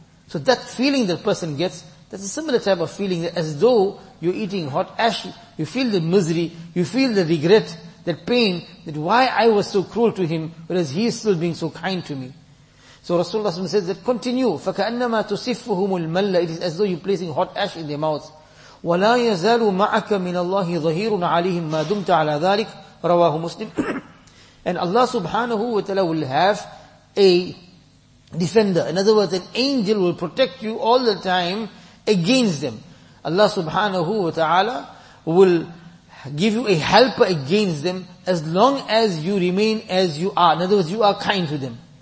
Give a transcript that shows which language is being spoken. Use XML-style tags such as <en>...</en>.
<en>So that feeling that person gets, that's a similar type of feeling, that as though you're eating hot ash. You feel the misery, you feel the regret, that pain, that why I was so cruel to him, whereas he is still being so kind to me. So Rasulullah says that continue.</en> <ar>فَكَأَنَّمَا تُصِفُّهُمُ الْمَلَّ</ar> <en>It is as though you're placing hot ash in their mouths.</en> <ar>وَلَا يَزَالُ مَعَكَ مِنَ اللَّهِ ظَهِيرٌ عَلَيْهِمْ مَا دُمْتَ عَلَى ذَلِكَ رَوَاهُ مُسْلِمْ</ar> <en>And Allah subhanahu wa ta'ala will have a defender. In other words, an angel will protect you all the time against them. Allah subhanahu wa ta'ala will give you a helper against them as long as you remain as you are. In other words, you are kind to them.</en>